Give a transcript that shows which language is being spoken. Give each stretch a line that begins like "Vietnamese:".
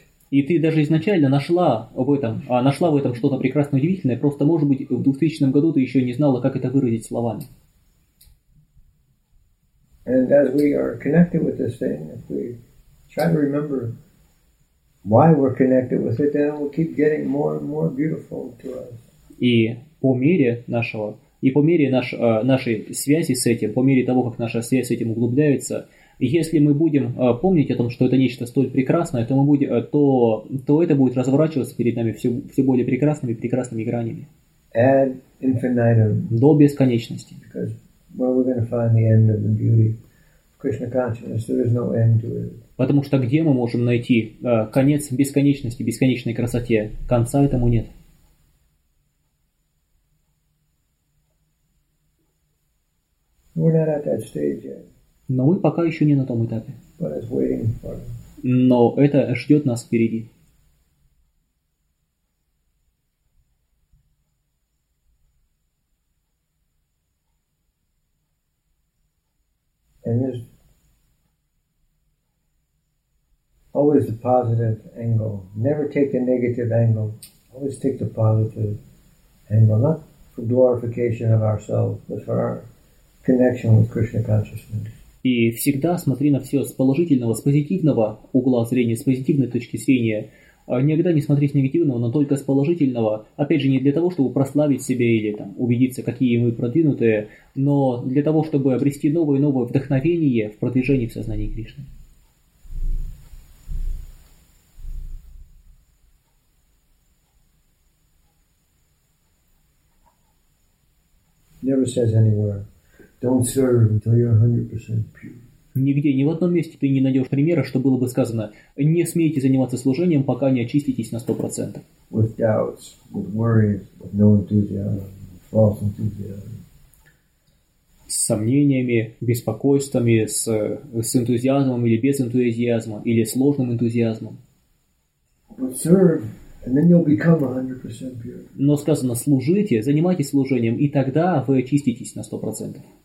Russian: И ты даже изначально нашла в этом что-то прекрасное, удивительное, просто, может быть, в 2000 году ты еще не знала, как это выразить словами.
English: And as we are connected with this thing, if we try to remember why we're connected with it, then it will keep getting more and more beautiful to us.
Russian: И по мере нашей связи с этим, по мере того, как наша связь с этим углубляется, если мы будем помнить о том, что это нечто столь прекрасное, то это будет разворачиваться перед нами все более прекрасными и прекрасными гранями.
English: Ad infinitum.
Russian: До бесконечности.
English: Because where we're going to find the end of the beauty of Krishna consciousness, there is no end to it.
Russian: Потому что где мы можем найти конец бесконечности, бесконечной красоте? Конца этому нет.
English: We're not at that stage yet.
Russian: Но мы пока еще не на том этапе.
English: But it's waiting for us.
Russian: Но это ждет нас впереди.
English: And there's always a positive angle. Never take the negative angle. Always take the positive angle. Not for glorification of ourselves, but for our connection with Krishna consciousness.
Russian: И всегда смотри на все с положительного, с позитивного угла зрения, с позитивной точки зрения. Никогда не смотри с негативного, но только с положительного. Опять же, не для того, чтобы прославить себя или там убедиться, какие мы продвинутые, но для того, чтобы обрести новое и новое вдохновение в продвижении в сознании Кришны.
English: Never says anywhere. Don't serve until you're 100% pure.
Russian: Нигде, ни в одном месте ты не найдешь примера, что было бы сказано: не смейте заниматься служением, пока не очиститесь на 100%.
English: With doubts, with worries, with no enthusiasm, with false enthusiasm.
Russian: С сомнениями, беспокойствами, с энтузиазмом или без энтузиазма, или с ложным энтузиазмом.
English: But serve, and then you'll become 100% pure.
Russian: Но сказано: служите, занимайтесь служением, и тогда вы очиститесь на 100%.